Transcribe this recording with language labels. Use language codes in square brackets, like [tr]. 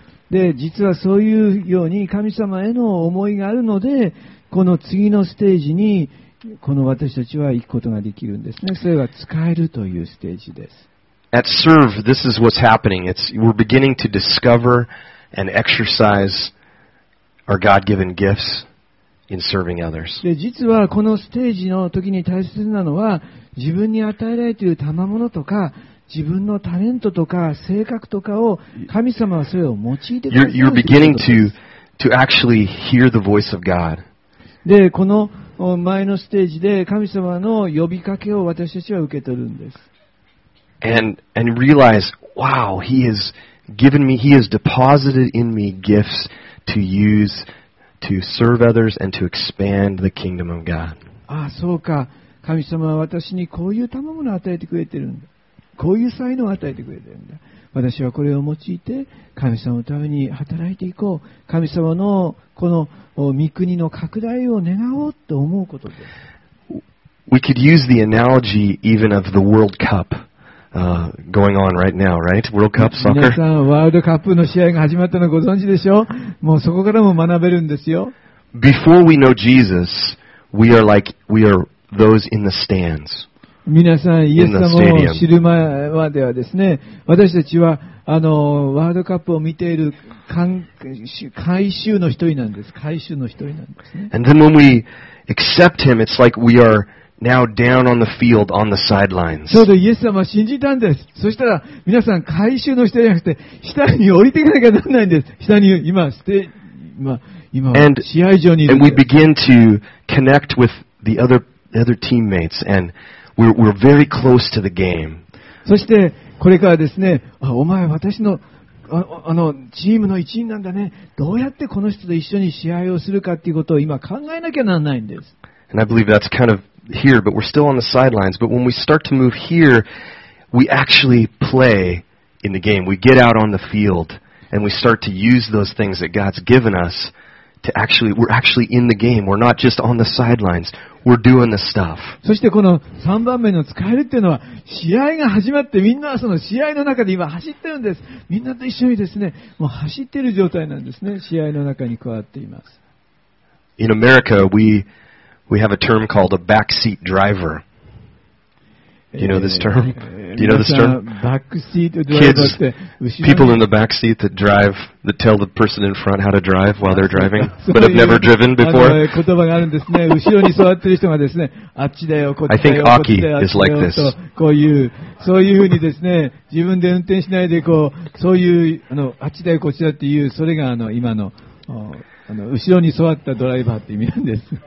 [ja] で、実はそういうように神様への思いがあるので、この次のステージにこの私たちは行くことができるんですね。それは使えるというステージです。 [en] At serve, this is what's happening. We're beginning to discover and exercise our God-given gifts in serving others. [ja] で、実はこのステージの時に大切なのは、自分に与えられている賜物とか自分のタレントとか性格とかを神様はそれを用いてくださるということです。 [en] You're beginning to to actually hear the voice of God. [ja] で、この前のステージで神様の呼びかけを私たちは受け取るんです。 [en] And realize, wow, He has given me, He has deposited in me gifts to use to serve others and to expand the kingdom of God. [ja] ああ、そうか。神様は私にこういう賜物を与えてくれてるんだ。こういう才能を与えてくれてるんだ。私はこれを用いて神様のために働いていこう。神様のこの御国の拡大を願おうと思うことです。 [en] We could use the analogy even of the World Cup, going on right now, right? World Cup soccer. [ja] 皆さん、ワールドカップの試合が始まったのご存知でしょう？もうそこからも学べるんですよ。 [en] Before we know Jesus, we are like, we are those in the stands. [ja] 皆さん、イエス様を知る前まではですね、私たちは、ワールドカップを見ている観衆の一人なんです。観衆の一人なんですね。 [en] And then when we accept him, it's like we are now down on the field, on the sidelines. [ja] ちょうどイエス様は信じたんです。そしたら、皆さん、観衆の一人じゃなくて、下に降りていかなきゃならないんです。下に今、試合場にいるんです。 [en] And we begin to connect with the other teammates and,We're very close to the game. [ja] そしてこれからですね、お前私のチームの一員なんだね。どうやってこの人と一緒に試合をするかっていうことを今考えなきゃならないんです。 [en] And I believe that's kind of here, but we're still on the sidelines. But when we start to move here, we actually play in the game. We get out on the field and we start to use those things that God's given us to actually, we're actually in the game. We're not just on the sidelines. We're doing the stuff. [ja] そしてこの3番目の使えるっていうのは試合が始まってみんなその試合の中で今走ってるんです。みんなと一緒にですね、もう走ってる状態なんですね。試合の中に加わっています。 [en] In America, we have a term called a backseat driver. Do you know this term? Do you know this term? Backseat driver って Kids, people in the backseat that drive, that tell the person in front how to drive while they're driving, but have never driven before. [ja] 言葉があるんですね。後ろに座ってる人がですね、あっちだよ、こっちだよ。 [en] I think Aki is like this. [ja] こういう、そういうふうにですね、自分で運転しないでこう、そういう、あっちだよ、こっちだっていう、それが今の、後ろに座ったドライバーって意味なんです。